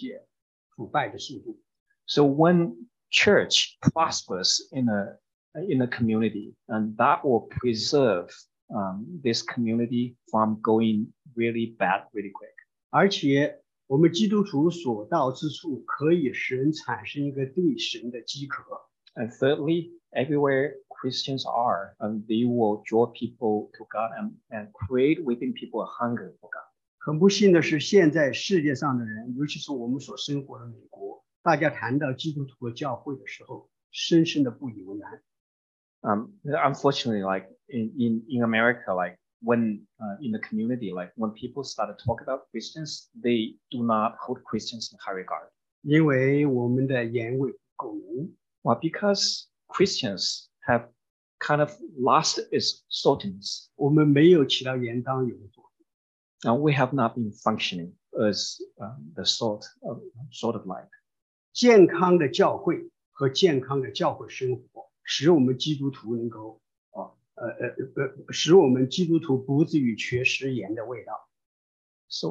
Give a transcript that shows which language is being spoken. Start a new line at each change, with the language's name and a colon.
Chinese: 基督徒所在的地方和教会有影响力的地方，可以延缓这个世界腐败的速度。So
English: when church prospers in a community, and that will preserve this community from going really bad really quick.
Chinese: 而且我们基督徒所到之处，可以使人产生一个对神的饥渴。
English: And thirdly, everywhere Christians are, they will draw people to God and create within people a hunger for God.
Chinese: 很不幸的是，现在世界上的人，尤其是我们所生活的美国，大家谈到基督徒和教会的时候，深深的不以为然。
English: Unfortunately, like in America, like when in the community, like when people start to talk about Christians, they do not hold Christians in high regard.
Chinese: 因为我们的盐味不够浓。
English: Well, because Christians have kind of lost its saltiness.
Chinese: 我们没有起到盐当油的作用。
English: We have not been functioning as the salt of life.
Chinese: 健康的教会和健康的教会生活，使我们基督徒能够，使我们基督徒不至于缺失盐的味道。So